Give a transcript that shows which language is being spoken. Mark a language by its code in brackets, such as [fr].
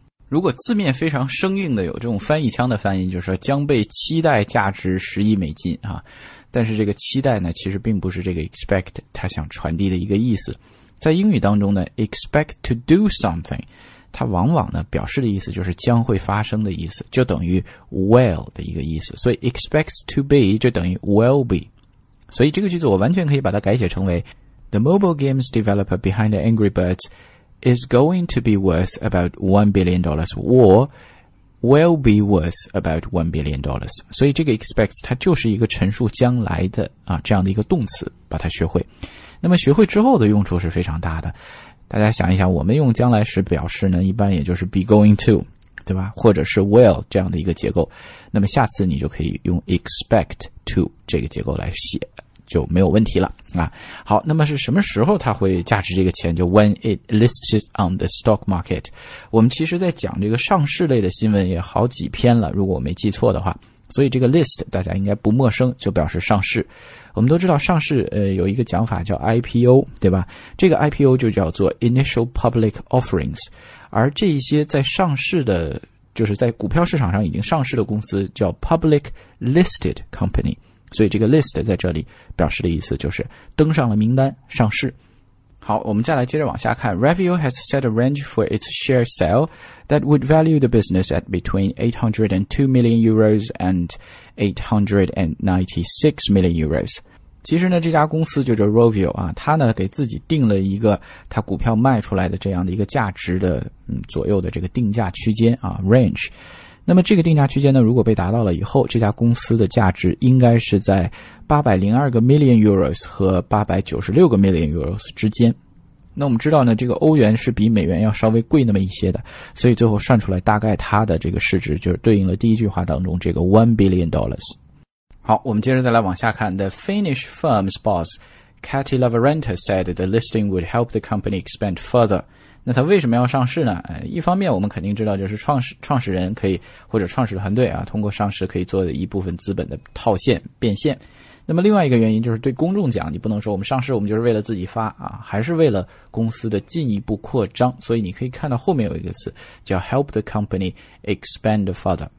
[zh] 如果字面非常生硬的有这种翻译腔的翻译，就是说将被期待价值10亿美金啊。但是这个期待呢，其实并不是这个 expect 它想传递的一个意思。在英语当中呢 ，expect to do something， 它往往呢表示的意思就是将会发生的意思，就等于 will 的一个意思。所以 expects to be 就等于 will be。所以这个句子我完全可以把它改写成为 ： [en] The mobile games developer behind Angry Birds。 Is going to be worth about $1 billion or will be worth about $1 billion. [zh] 所以这个 expects 它就是一个陈述将来的啊这样的一个动词，把它学会。那么学会之后的用处是非常大的。大家想一想，我们用将来时表示呢，一般也就是 be going to, 对吧，或者是 will 这样的一个结构。那么下次你就可以用 expect to 这个结构来写。就没有问题了啊。好，那么是什么时候它会价值这个钱，就 [en] when it listed on the stock market。 [zh] 我们其实在讲这个上市类的新闻也好几篇了，如果我没记错的话，所以这个 list 大家应该不陌生，就表示上市。我们都知道上市有一个讲法叫 IPO 对吧，这个 IPO 就叫做 initial public offerings, 而这一些在上市的就是在股票市场上已经上市的公司叫 public listed company,所以这个 list 在这里表示的意思就是登上了名单上市。好，我们再来接着往下看。 [en] Rovio has set a range for its share sale that would value the business at between €802 million and €896 million. [zh] 其实呢这家公司就叫 Rovio 啊，他呢给自己定了一个他股票卖出来的这样的一个价值的左右的这个定价区间啊 ,range。那么这个定价区间呢，如果被达到了以后，这家公司的价值应该是在802个 million euros 和896个 million euros 之间。那我们知道呢，这个欧元是比美元要稍微贵那么一些的，所以最后算出来大概它的这个市值就是对应了第一句话当中这个 $1 billion。好，我们接着再来往下看。 [en] The Finnish firm's boss, Katie Lavarenta, said the listing would help the company expand further. [zh] 那他为什么要上市呢？一方面我们肯定知道，就是创始人可以或者创始团队啊，通过上市可以做一部分资本的套现变现。那么另外一个原因就是对公众讲，你不能说我们上市我们就是为了自己发啊，还是为了公司的进一步扩张。所以你可以看到后面有一个词叫 [en] help the company expand further。